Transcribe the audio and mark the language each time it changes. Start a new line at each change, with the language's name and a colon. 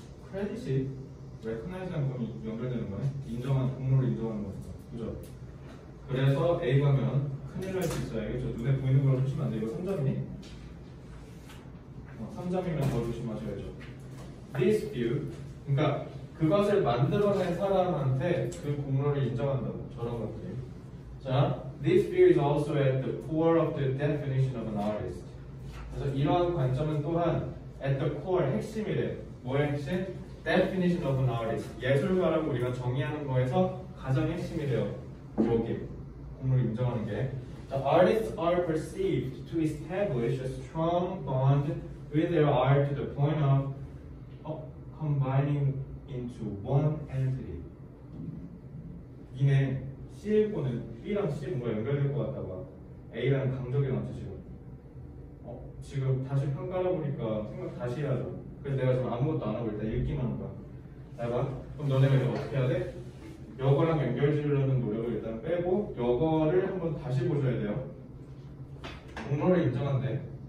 Korean: 크레딧이 레코나이즈한 건이 연결되는 거네. 인정한 공로를 인정하는 거니까. 그죠? 그래서 A가면 큰일 날 수 있어요. 그죠? 눈에 보이는 걸로 조심하면 안 돼. 이거 3점이니? 3점이면 더 조심하셔야죠.
English: This view.
Korean: 그러니까 그것을 만들어낸 사람한테 그 공로를 인정한다고. 저런 것들이.
English: 자, This view is also at the core of the definition of an artist.
Korean: 그래서 이러한 관점은 또한
English: at the core,
Korean: 핵심이래. 뭐의 핵심?
English: Definition of an artist.
Korean: 예술가라고 우리가 정의하는 거에서 가장 핵심이 돼요. 여기 공로를 인정하는 게.
English: The artists are perceived to establish a strong bond with their art to the point of combining into one entity.
Korean: 이네 C1번은 B랑 C 뭔가 연결될 것 같다 봐. A랑 강조기 맞지 지금. 지금 다시 평가를 보니까 생각 다시 해야죠. 그래서 내가 지금 아무것도 안 하고 일단 읽기만 한 거야. 알바? 그럼 너네가 이제 어떻게 해야 돼? 여거랑 연결지으려는 노력을 일단 빼고 여거를 한번 다시 보셔야 돼요. 공로를 인정한대.